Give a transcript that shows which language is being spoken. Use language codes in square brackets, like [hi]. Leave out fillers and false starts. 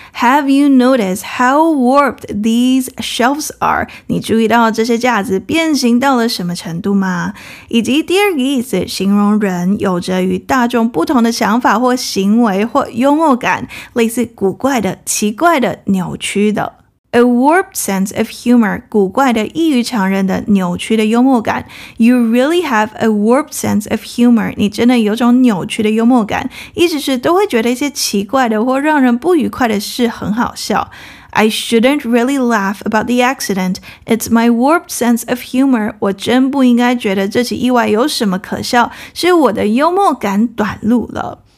[en] Have you noticed how warped these shelves are？ [zh] 你注意到这些架子变形到了什么程度吗？以及第二个意思，形容人有着与大众不同的想法或行为或幽默感，类似古怪的、奇怪的、扭曲的。 [en] A warped sense of humor, [zh] 古怪的、异于常人的、扭曲的幽默感。 [en] You really have a warped sense of humor. [zh] 你真的有种扭曲的幽默感，意思是都会觉得一些奇怪的或让人不愉快的事很好笑。 [en] I shouldn't really laugh about the accident. It's my warped sense of humor. [zh] 我真不应该觉得这起意外有什么可笑，是我的幽默感短路了。